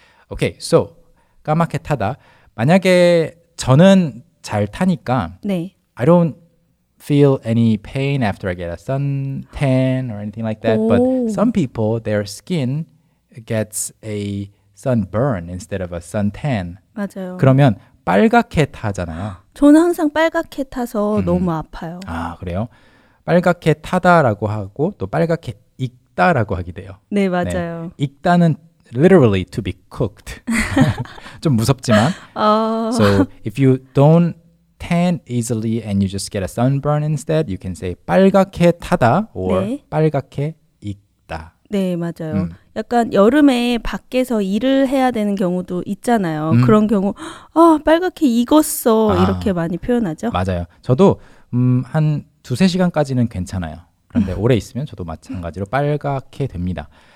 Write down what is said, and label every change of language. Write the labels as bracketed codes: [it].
[en] Okay, so [ko] 까맣게 타다. 만약에 저는 잘 타니까 네. [en] I don't feel any pain after I get a suntan or anything like that. 오. But some people, their skin gets a sunburn instead of a suntan. [ko] 맞아요. 그러면 빨갛게 타잖아요. 저는 항상 빨갛게 타서 너무 아파요. 아, 그래요? 빨갛게 타다라고 하고 또 빨갛게 익다라고 하게 돼요. 네, 맞아요. 네. [en] 익다는 literally to be cooked. [ko] 좀 무섭지만. [en] So if you don't tan easily and you just get a sunburn instead, you can say 빨갛게 타다 or 네. [ko] 빨갛게 익다. 네, 맞아요. 약간 여름에 밖에서 일을 해야 되는 경우도 있잖아요. 그런 경우, 아, 빨갛게 익었어 이렇게 많이 표현하죠. 맞아요. 저도 한 두세 시간까지는 괜찮아요. 그런데 오래 있으면 저도 마찬가지로 빨갛게 됩니다.